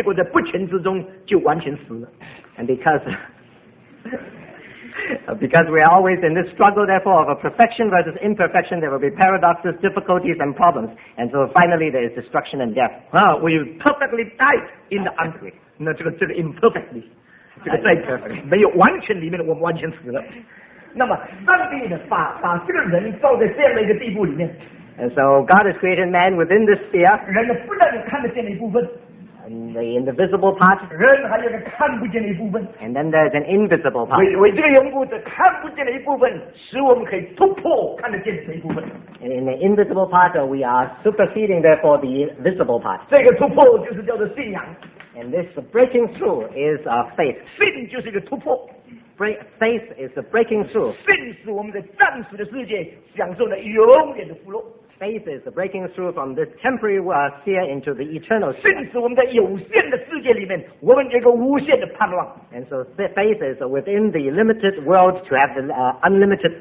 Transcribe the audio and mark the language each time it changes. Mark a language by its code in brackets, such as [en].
[zh] 矛盾冲突这个挣扎过了几十年的生活，结果在不全之中就完全死了。 [en] And because we are always in this struggle, therefore, of a perfection versus imperfection, there will be paradoxes, difficulties, and problems. And so finally, there is destruction and death. We perfectly died in the unperfect. [zh] 那这个 imperfectly, 这个在没有完全里面，我们完全死了。那么上帝呢，把这个人造在这样的一个地步里面。 [en] And so God has created man within this sphere. [zh] 人不但看得见的一部分, [en] and the invisible part. [zh] 人还有个看不见的一部分, [en] and then there's an invisible part. [zh] 为这个缘故的看不见的一部分使我们可以突破看得见的一部分, [en] and in the invisible part we are superseding therefore the visible part. [zh] 这个突破就是叫做信仰, [en] and this breaking through is our faith. [zh] 信就是一个突破, [en] faith is the breaking through. [zh] 信使我们在暂时的世界享受了永远的福乐。 [en] faith is the breaking through from this temporary sphere into the eternal sphere. And so faith is within the limited world to have the unlimited